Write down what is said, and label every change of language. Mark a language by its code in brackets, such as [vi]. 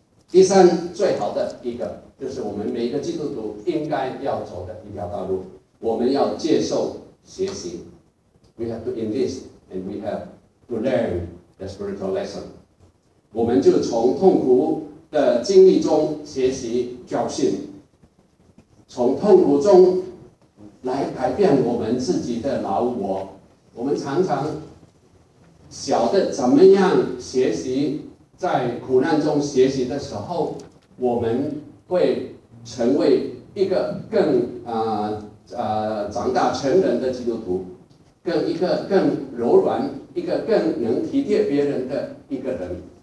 [zh] 第三，最好的一个就是我们每一个基督徒应该要走的一条道路，我们要接受学习。 [en] We have to enlist and we have to learn the spiritual lesson. [zh] 我们就从痛苦的经历中学习教训，从痛苦中来改变我们自己的老我。我们常常晓得怎么样学习，在苦难中学习的时候，我们会成为一个更长大成人的基督徒，更一个更柔软，一个更能体贴别人的一个人。